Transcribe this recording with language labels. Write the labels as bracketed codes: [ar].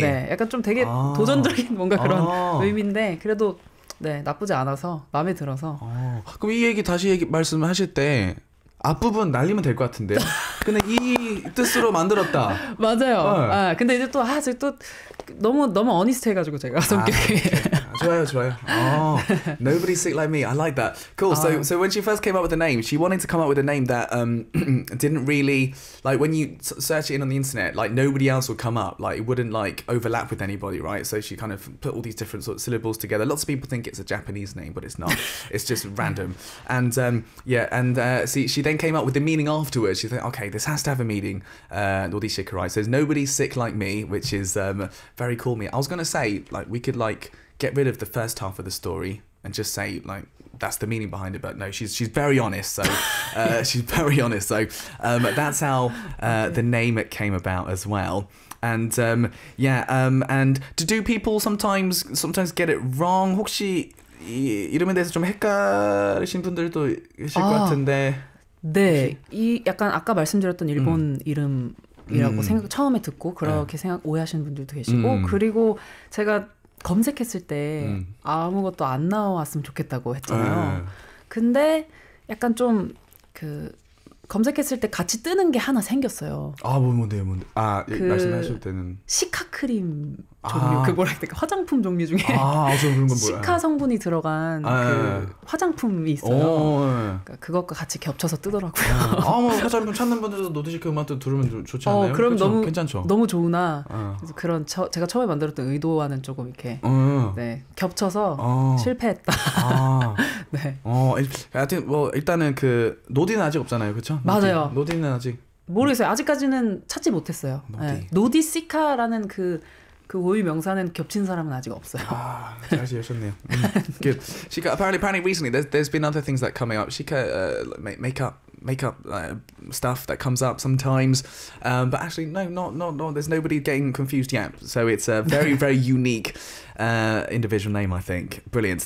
[ko] 네, 약간 좀 되게 도전적인 뭔가 그런 의미인데 그래도 네 나쁘지 않아서 마음에 들어서. 그럼 이 얘기 다시 말씀하실 때 앞부분 날리면 될 것 같은데. 근데 이 뜻으로 만들었다. 맞아요. 네. 아 근데 이제 또 아직 또 너무 어니스트 해가지고 제가 성격이. 좋아요, 좋아요. [en] Nobody sick like me. I like that. Cool. So when she first came up with the name, she wanted to come up with a name that didn't really like when you search it in on the internet, like nobody else would come up. Like it wouldn't like overlap with anybody, right? So she kind of put all these different sort of syllables together. Lots of people think it's a Japanese name, but it's not. It's just random. And she then came up with the meaning afterwards. She thought, okay, this has to have a meaning. Nody Cika, right? So it's nobody sick like me, which is very cool. Me. I was gonna say like we could like. Get rid of the first half of the story and just say like that's the meaning behind it. But no, she's very honest. So she's very honest. So that's how the name it came about as well. And yeah, and do people sometimes get it wrong? [ko] 혹시 이 이름에 대해서 좀 헷갈리신 분들도 계실 것 같은데. 네, 이 약간 아까 말씀드렸던 일본 이름이라고 생각 처음에 듣고 그렇게 생각 오해하시는 분들도 계시고 그리고 제가 검색했을 때 아무것도 안 나왔으면 좋겠다고 했잖아요. 근데 약간 좀 그 검색했을 때 같이 뜨는 게 하나 생겼어요. 아 뭔데요, 뭔데? 아 그 말씀하실 때는 시카 크림 종류 그 뭐라 해야 될까 화장품 종류 중에 시카 성분이 들어간 그 화장품이 있어요. 그러니까 그것과 같이 겹쳐서 뜨더라고요. 아 뭐 화장품 찾는 분들도 노디시카 음악도 들으면 좋지 않나요? 그럼 그쵸? 너무 괜찮죠. 너무 좋으나 그래서 그런 제가 처음에 만들었던 의도와는 조금 이렇게 네 겹쳐서 실패했다. 네. 하여튼 뭐 일단은 그 노디는 아직 없잖아요, 그렇죠? 노디. 맞아요. 노디는 아직 모르겠어요. 아직까지는 찾지 못했어요. 노디 네. 노디시카라는 그 그 오유 명사는 겹친 사람은 아직 없어요. 아, 잘 지으셨네요. [en] Good. Shika, apparently recently there's been other things that coming up. Shika, makeup stuff that comes up sometimes. But actually, no, not. There's nobody getting confused yet. So it's a very, very unique individual name, I think. Brilliant.